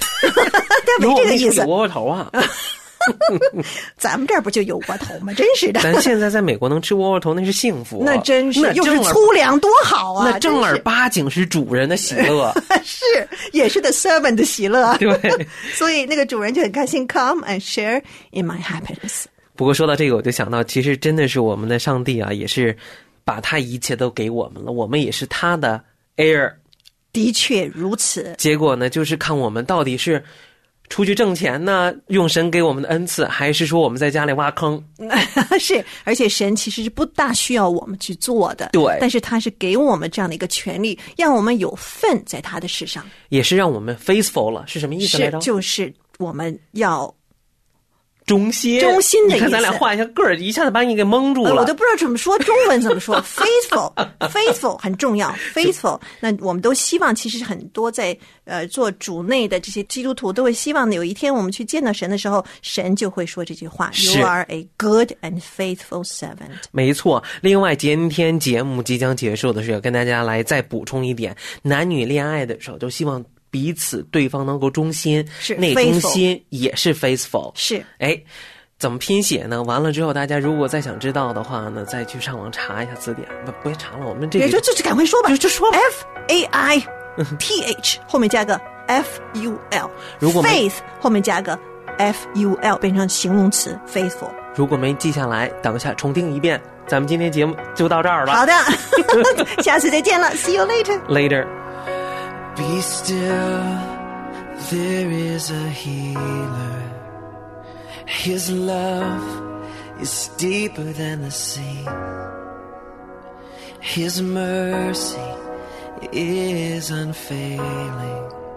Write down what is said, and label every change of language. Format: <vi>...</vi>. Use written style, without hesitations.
<zh>他没这个意思。有窝窝头啊。咱们这儿不就有窝头吗？真是的。咱现在在美国能吃窝窝头那是幸福。那真是。又是粗粮多好啊。那正儿八经是主人的喜乐。是。也是</zh> <en>the servant</en> <zh>的喜乐。对。所以那个主人就很开心</zh> <en>come and share in my happiness。</en> <zh>不过说到这个我就想到其实真的是我们的上帝啊也是把他一切都给我们了。我们也是他的 heir。的确如此。结果呢就是看我们到底是出去挣钱呢用神给我们的恩赐还是说我们在家里挖坑。是而且神其实是不大需要我们去做的。对。但是他是给我们这样的一个权利让我们有份在他的事上。也是让我们 faithful 了是什么意思来着是就是我们要中心。中心的意思。你看咱俩画一下个儿一下子把你给蒙住了。我都不知道怎么说中文怎么说。 faithful, faithful, 很重要。 faithful, 那我们都希望其实很多在做主内的这些基督徒都会希望有一天我们去见到神的时候神就会说这句话。</zh> <en>You are a good and faithful servant.</en> <zh>没错。另外今天节目即将结束的时候跟大家来再补充一点。男女恋爱的时候都希望彼此对方能够忠心是那忠心也是 faithful 是哎，怎么拼写呢完了之后大家如果再想知道的话呢再去上网查一下字典不要查了我们这个就赶快说吧就说吧 F-A-I-T-H 后面加个 F-U-L 如果 Faith 后面加个 F-U-L 变成形容词 faithful 如果没记下来等一下重听一遍咱们今天节目就到这儿了好的下次再见了</zh> <en>See you later Later Be still, there is a healer. His love is deeper than the sea. His mercy is unfailing.</en>